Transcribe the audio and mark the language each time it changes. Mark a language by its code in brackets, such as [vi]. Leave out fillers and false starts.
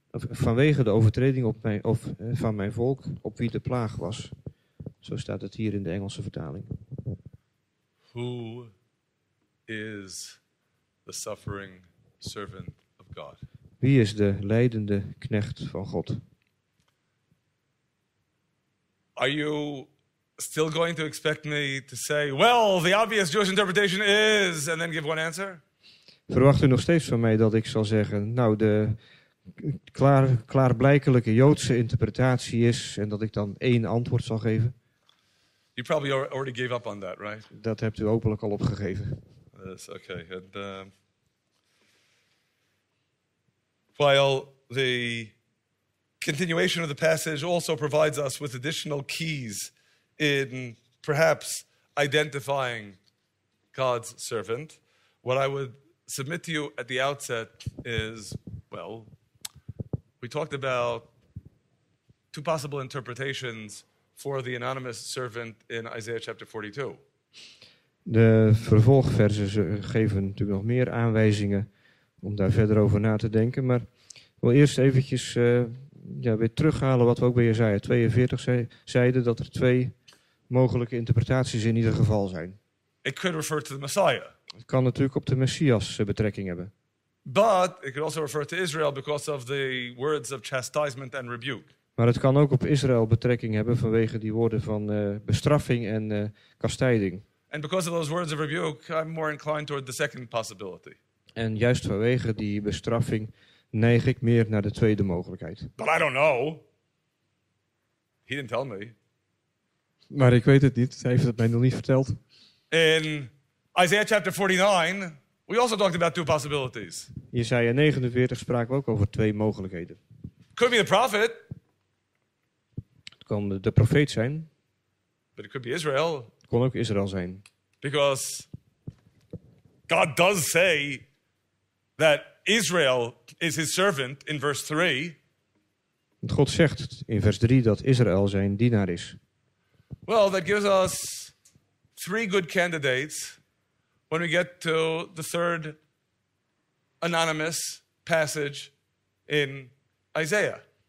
[nl] Vanwege de overtreding van mijn volk op wie de plaag was. Zo staat het hier in de Engelse vertaling. [en] Who is the suffering servant of God? [nl] Wie is de lijdende knecht van God? [en] Are you still going to expect me to say, well, the obvious Jewish interpretation is, and then give one answer? [nl] Verwacht u nog steeds van mij dat ik zal zeggen, nou, de klaarblijkelijke Joodse interpretatie is, en dat ik dan één antwoord zal geven? [en] You probably already gave up on that, right? [nl] Dat hebt u openlijk al opgegeven. [en] Yes, okay. And, while the continuation of the passage also provides us with additional keys in perhaps identifying God's servant, what I would submit to you at the outset is, well, we talked about two possible interpretations for the anonymous servant in Isaiah chapter 42. [nl] De vervolgversen geven natuurlijk nog meer aanwijzingen om daar verder over na te denken, maar ik wil eerst eventjes weer terughalen wat we ook bij Jesaja 42 zeiden, dat er twee mogelijke interpretaties in ieder geval zijn. [en] It could refer to the Messiah. [nl] Het kan natuurlijk op de Messias betrekking hebben. [en] But it could also refer to Israel because of the words of chastisement and rebuke. [nl] Maar het kan ook op Israël betrekking hebben vanwege die woorden van bestraffing en kastijding. [en] And because of those words of rebuke, I'm more inclined toward the second possibility. [nl] En juist vanwege die bestraffing neig ik meer naar de tweede mogelijkheid. [en] But I don't know. He didn't tell me. [nl] Maar ik weet het niet. Hij heeft het mij nog niet verteld. [en] In Isaiah chapter 49, we also talked about two possibilities. [nl] Jesaja 49 spraken we ook over twee mogelijkheden. [en] Could be the prophet. [nl] Het kon de profeet zijn. [en] But it could be Israel. [nl] Het kon ook Israël zijn. [en] Because God does say that Israel is his servant in verse 3. [nl] God zegt in vers 3 dat Israël zijn dienaar is. [en] Well, that gives us three good candidates when we get to the third anonymous passage in Isaiah.